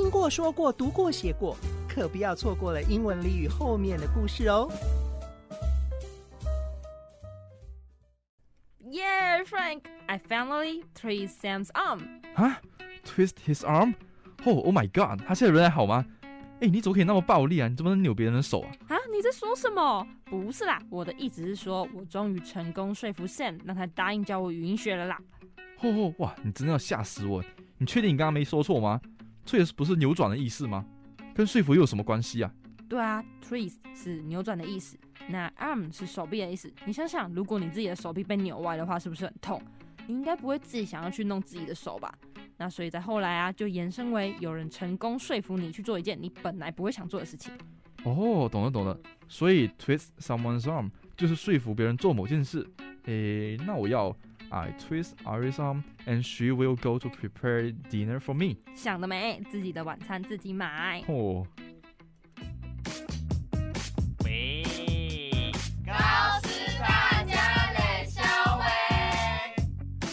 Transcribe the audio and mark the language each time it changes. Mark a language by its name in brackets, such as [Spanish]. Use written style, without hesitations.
[Chinese] 说过读过写过可不要错过了英文俚语后面的故事哦 [English] Yeah, Frank, I finally twist Sam's arm Huh? Twist his arm? Oh my god, [Chinese] 他现在仍然好吗诶你怎么可以那么暴力啊你怎么能扭别人的手啊你在说什么不是啦我的意思是说我终于成功说服 Sam 让他答应教我语音学了啦哇你真的要吓死我你确定你刚刚没说错吗Twist 不是扭转的意思吗？跟说服又有什么关系啊？对啊 ，twist 是扭转的意思，那 arm 是手臂的意思。你想想，如果你自己的手臂被扭歪的话，是不是很痛？你应该不会自己想要去弄自己的手吧？那所以在后来啊，就延伸为有人成功说服你去做一件你本来不会想做的事情。哦，懂了懂了。所以 twist someone's arm 就是说服别人做某件事。那我要。 [English] I twist Iris' arm, and she will go to prepare dinner for me. [Chinese] 想得美，自己的晚餐自己买。哦。喂，高师大家冷笑喂。